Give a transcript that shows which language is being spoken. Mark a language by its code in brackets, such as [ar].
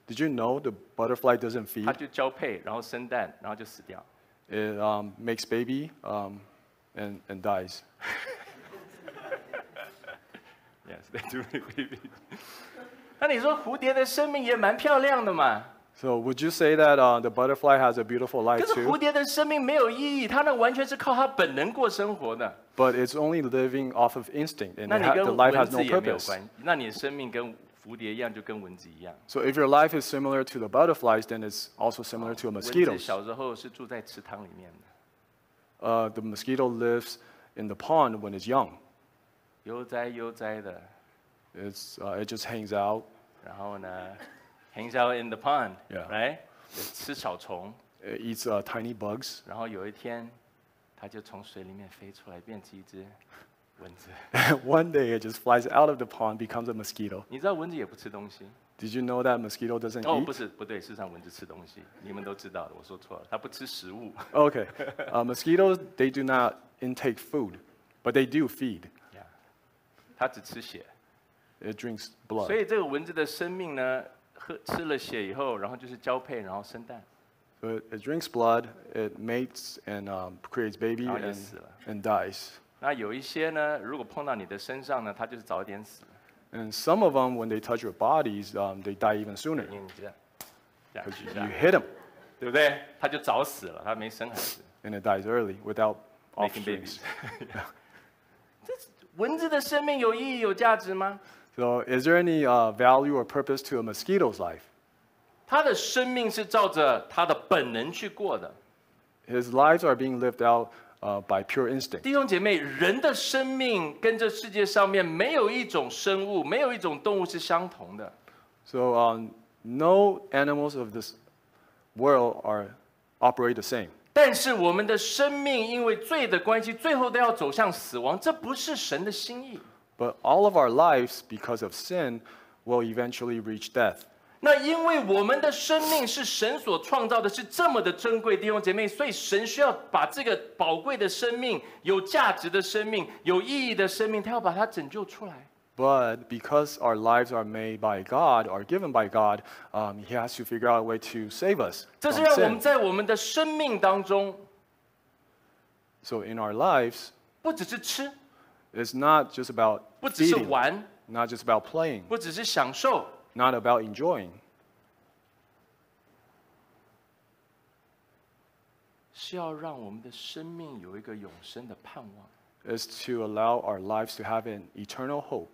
[en] Did you know the butterfly doesn't feed? [zh] 它就交配然后生蛋然后就死掉 [en] It makes baby and dies. [zh] Yes, 那你说蝴蝶的生命也蛮漂亮的嘛 [en] So would you say that the butterfly has a beautiful life too? [zh] 可是蝴蝶的生命没有意义它那完全是靠它本能过生活的 [en] But it's only living off of instinct and the life has no purpose [zh] 那你的生命跟蝴蝶一样就跟蚊子一样 [en] So if your life is similar to the butterflies then it's also similar to a mosquito [zh] 蚊子小时候是住在池塘里面的 [en] The mosquito lives in the pond when it's young [zh] 悠哉悠哉的 [en] It's, it just hangs out. [zh] 然后呢 [en] hangs out in the pond, yeah. right? [zh] 吃小虫 [en] It eats tiny bugs. [zh] 然后有一天它就从水里面飞出来变成一只蚊子 [en] One day it just flies out of the pond, becomes a mosquito. [zh] 你知道蚊子也不吃东西 [en] Did you know that mosquito doesn't eat? [zh] 哦不是不对事实上蚊子吃东西你们都知道的我说错了它不吃食物 [en] Okay, mosquitoes, they do not intake food, but they do feed. [zh] 它只吃血 [en] It drinks blood. [zh] 所以这个蚊子的生命呢喝吃了血以后然后就是交配然后生蛋 [en] So it drinks blood, it mates and creates baby and dies. [zh] 那有一些呢如果碰到你的身上呢它就是早点死 [en] And some of them when they touch your bodies, they die even sooner. [zh] 你这样 [en] Because you hit them. [zh] 对不对它就早死了它没生孩子 [en] And it dies early without making babies. [zh] 这是蚊子的生命有意义有价值吗 [en] So is there any value or purpose to a mosquito's life? [zh] 他的生命是照着他的本能去过的 [en] His lives are being lived out by pure instinct [zh] 弟兄姐妹人的生命跟这世界上面没有一种生物没有一种动物是相同的 [en] So no animals of this world operate the same [zh] 但是我们的生命因为罪的关系最后都要走向死亡这不是神的心意 [en] But all of our lives because of sin will eventually reach death [zh] 那因为我们的生命是神所创造的是这么的珍贵弟兄姐妹所以神需要把这个宝贵的生命有价值的生命有意义的生命他要把它拯救出来 [en] But because our lives are made by God or given by God he has to figure out a way to save us [zh] 这是让我们在我们的生命当中 [en] So in our lives [zh] 不只是吃, [en] it's not just about [zh] 不只是玩, [en] feeding, not just about playing, [zh] 不只是享受, [en] not about enjoying. [zh] 是要让我们的生命有一个永生的盼望, [en] it's to allow our lives to have an eternal hope,